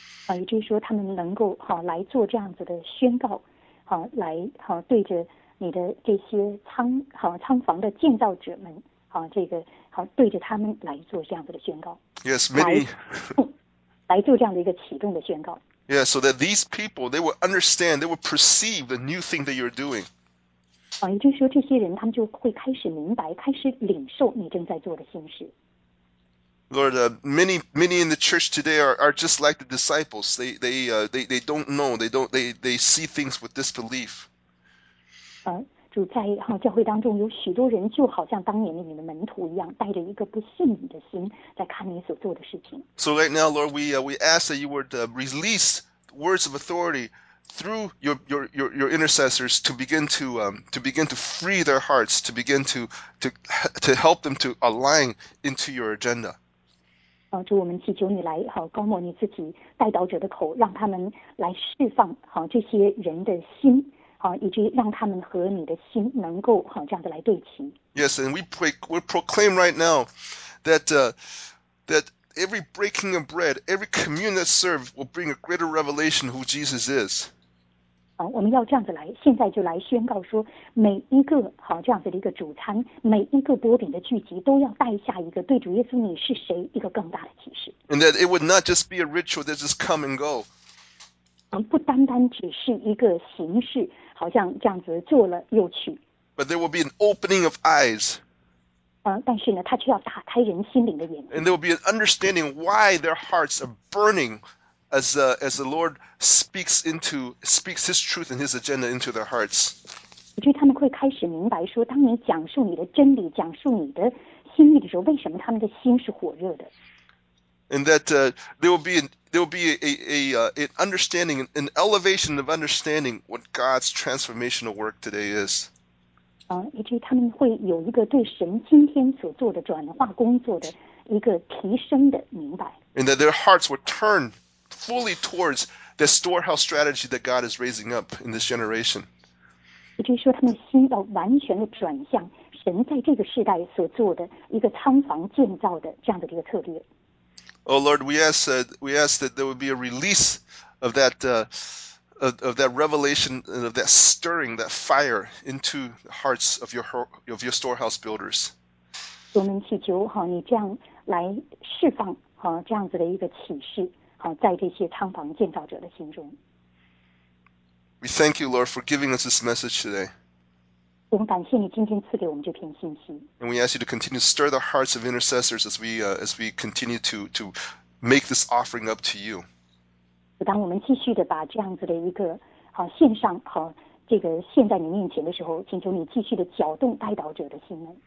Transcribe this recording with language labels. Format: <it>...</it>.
<zh>也就是说，他们能够来做这样子的宣告，来对着你的这些仓房的建造者们，对着他们来做这样子的宣告。</zh> <en>Yes, many.</en> <zh>来做这样的一个启动的宣告。</zh> <en>Yeah, so that these people, they will understand, they will perceive the new thing that you're doing.</en> <zh>也就是说这些人他们就会开始明白，开始领受你正在做的新事。</zh> <en>Lord, many in the church today are just like the disciples. They don't know, they see things with disbelief.</en> <zh>主在教会当中有许多人就好像当年的你的门徒一样，带着一个不信你的心在看你所做的事情。</zh> <en>So right now, Lord, we ask that you would release words of authority through your intercessors to begin to free their hearts, to begin to help them to align into your agenda.</en> <zh>主，我们祈求你来高抹你自己代祷者的口，让他们来释放这些人的心。以至于让他们和你的心能够这样子来对齐。</zh> <en>Yes, and we proclaim right now that that every breaking of bread, every communion that's served will bring a greater revelation who Jesus is.</en> <zh>我们要这样子来，现在就来宣告说，每一个这样子的一个主餐，每一个薄饼的聚集，都要带下一个对主耶稣你是谁一个更大的启示。</zh> <en>And that it would not just be a ritual that just come and go.</en> <zh>不单单只是一个形式，好像这样子做了又去。</zh> <en>But there will be an opening of eyes.</en> <zh>但是呢，他却要打开人心灵的眼睛。</zh> <en>And there will be an understanding why their hearts are burning as the Lord speaks His truth and His agenda into their hearts.</en> <zh>以至于他们会开始明白说，当你讲述你的真理，讲述你的心意的时候，为什么他们的心是火热的？</zh> <en>And that there will be an understanding, an elevation of understanding what God's transformational work today is.</en> <zh>以至于他们会有一个对神今天所做的转化工作的一个提升的明白。</zh> <en>And that their hearts will turn fully towards the storehouse strategy that God is raising up in this generation.</en> <zh>以至于说他们心要完全的转向神在这个时代所做的一个仓房建造的这样的一个策略。</zh> <en>Oh Lord, we ask that there would be a release of that revelation and of that stirring, that fire into the hearts of your storehouse builders.</en> <zh>我们祈求你这样来释放这样子的一个启示，在这些仓房建造者的心中。</zh> <en>We thank you, Lord, for giving us this message today.</en> <zh>我们感谢你今天赐给我们这篇信息。</zh> <en>And we ask you to continue to stir the hearts of intercessors as we continue to make this offering up to you.</en> <zh>当我们继续的把这样子的一个献上这个献在你面前的时候，请求你继续的搅动代祷者的心门。</zh>